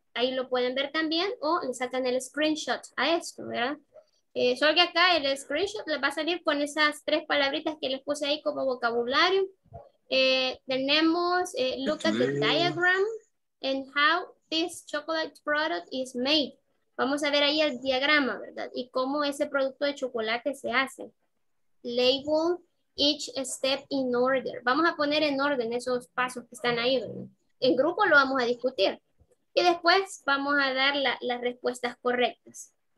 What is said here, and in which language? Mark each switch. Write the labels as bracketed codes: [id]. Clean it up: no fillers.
[es] Ahí lo pueden ver también, o le sacan el screenshot a esto, ¿verdad? Solo que acá el screenshot les va a salir con esas tres palabritas que les puse ahí como vocabulario. [en] Tenemos look at the diagram and how this chocolate product is made. [es] Vamos a ver ahí el diagrama, ¿verdad? Y cómo ese producto de chocolate se hace. [en] Label each step in order. [es] Vamos a poner en orden esos pasos que están ahí, ¿verdad? En grupo lo vamos a discutir. Y después vamos a dar las respuestas correctas.